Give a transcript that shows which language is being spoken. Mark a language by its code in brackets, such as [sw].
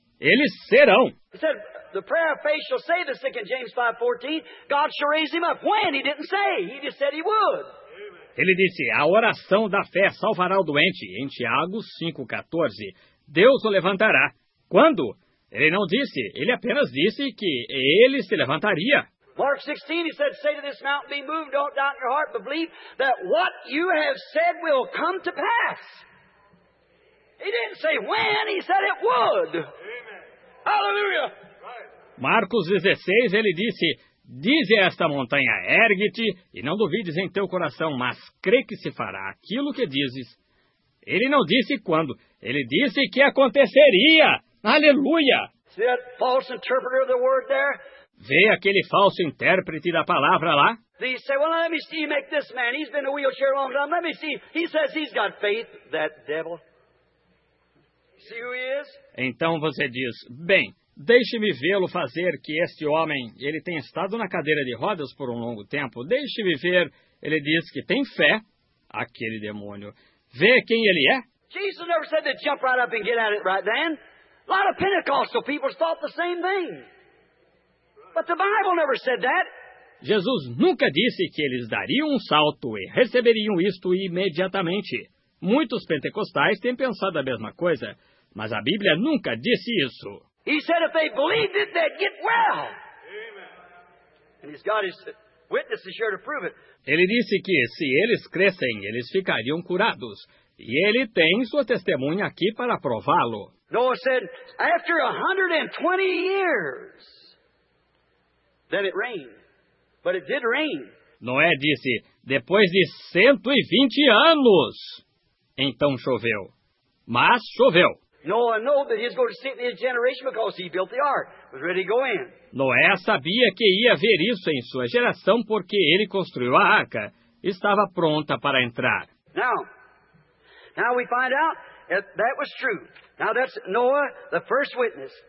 [pt] Eles serão. [en] He said, the prayer of faith shall save the sick in James 5:14. God shall raise him up. When? He didn't say. He just said he would. [pt] Ele disse, a oração da fé salvará o doente, em Tiago 5:14. Deus o levantará. Quando? Ele não disse, ele apenas disse que ele se levantaria. [en] Mark 16, he said, say to this mountain, be moved, don't doubt in your heart, but believe that what you have said will come to pass. He didn't say when, he said it would. Amen. Hallelujah. [pt] Marcos 16, ele disse, dize a esta montanha, ergue-te, e não duvides em teu coração, mas crê que se fará aquilo que dizes. Ele não disse quando, ele disse que aconteceria. Aleluia! [en] See that false interpreter of the word there? [pt] Vê aquele falso intérprete da palavra lá? [en] He said, well, let me see you make this man. He's been in a wheelchair long time. Let me see. He says he's got faith, that devil. See who he is? [pt] Então você diz, bem, deixe-me vê-lo fazer que este homem, ele tem estado na cadeira de rodas por um longo tempo. Deixe-me ver. Ele diz que tem fé, aquele demônio. Vê quem ele é? [en] Jesus never said to jump right up and get at it right then. A lot of Pentecostal people thought the same thing. But the Bible never said that. [pt] Jesus nunca disse que eles dariam um salto e receberiam isto imediatamente. Muitos pentecostais têm pensado a mesma coisa, mas a Bíblia nunca disse isso. [en] He said if they believed it, they'd get well. Amen. And he's got his witnesses here to prove it. [pt] Ele disse que se eles crescem, eles ficariam curados. E ele tem sua testemunha aqui para prová-lo. [en] Noah said, after 120 years, then it rained. But it did rain. [pt] Noé disse, depois de 120 anos, então choveu. Mas choveu. [en] Noah knew that he was going to see it in his generation because he built the ark. Was ready to go in. [pt] Noé sabia que ia ver isso em sua geração porque ele construiu a arca. Estava pronta para entrar. [en] Now we find out that was true. Now that's Noah, the first witness.